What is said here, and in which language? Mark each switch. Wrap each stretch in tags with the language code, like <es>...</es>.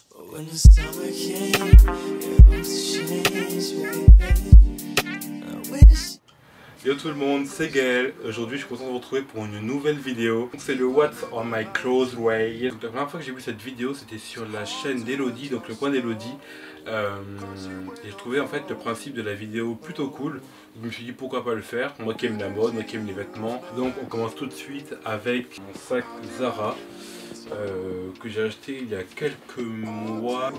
<en>When the summer came, it was a change, baby. I wish.</en> <fr>Yo tout le monde, c'est Gaël. Aujourd'hui, je suis content de vous retrouver pour une nouvelle vidéo. C'est le</fr> <en>What's on my clothes way.</en> <fr>Donc, la première fois que j'ai vu cette vidéo, c'était sur la chaîne d'Elodie, donc le coin d'Elodie. Et je trouvais en fait le principe de la vidéo plutôt cool. Je me suis dit pourquoi pas le faire. Moi qui aime la mode, moi qui aime les vêtements. Donc on commence tout de suite avec mon sac Zara que j'ai acheté il y a quelques mois.</fr>